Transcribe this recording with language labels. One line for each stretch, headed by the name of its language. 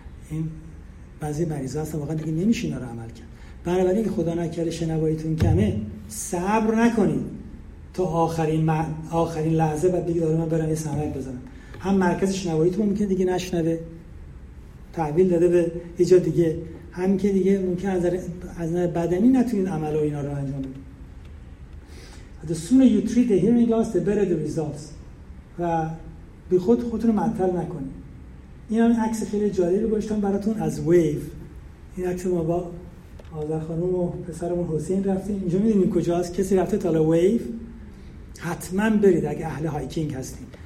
Persian: این بعضی مریضا هستن واقعا دیگه نمیشه اینا رو عمل کرد. بنابراین خدا نکره شنواییتون کمه، صبر نکنید تا آخرین لحظه بعد دیگه دارم من برم یه سمک بزنم. هم مرکز شنواییتون ممکنه دیگه نشنوه، تحویل داده به یه جا دیگه، هم که دیگه ممکن از نظر بدنی نتونید عمل و اینا رو انجام بدید.
English: The sooner you treat the hearing loss the better the results.
Persian: و بی خود خودتون رو معطل نکنید. این هم عکس خیلی جالبی گذاشتم براتون از ویو. این عکس ما با آذر خانم و پسرمون حسین رفتیم. اینجا می‌بینید کجاست؟ کسی رفته تالا ویو؟ حتما برید اگه اهل هایکینگ هستید.